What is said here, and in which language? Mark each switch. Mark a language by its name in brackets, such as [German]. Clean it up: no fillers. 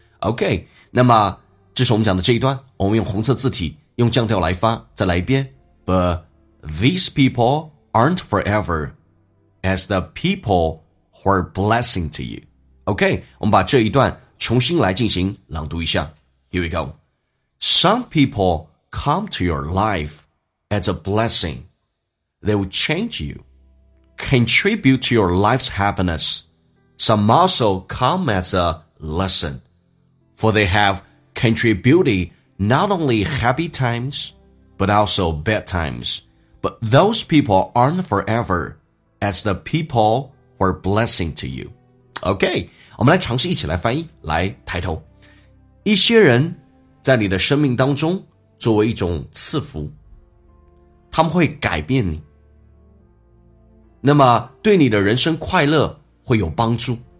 [Chinese] OK, 那么这是我们讲的这一段我们用红色字体用降调来发再来一遍。 [English] But these people aren't forever as the people who are blessing to you. [Chinese] OK, 我们把这一段重新来进行朗读一下。 [English] Here we go. Some people come to your life as a blessing. They will change you, contribute to your life's happiness. Some also come as a lesson, for they have contributed not only happy times, but also bad times. But those people aren't forever as the people who are blessing to you. [Chinese] OK, 我们来尝试一起来翻译来抬头。一些人在你的生命当中作为一种赐福他们会改变你。那么对你的人生快乐会有帮助。